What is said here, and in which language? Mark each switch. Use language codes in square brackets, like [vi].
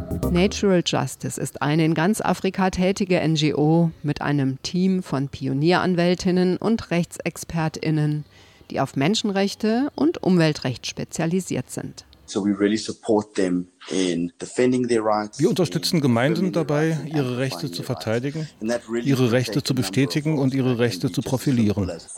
[de] Natural Justice ist eine in ganz Afrika tätige NGO mit einem Team von Pionieranwältinnen und RechtsexpertInnen, die auf Menschenrechte und Umweltrecht spezialisiert sind. [en] So we really support them in defending their rights. [de] Wir unterstützen Gemeinden dabei, ihre Rechte zu verteidigen, ihre Rechte zu bestätigen und ihre Rechte zu profilieren.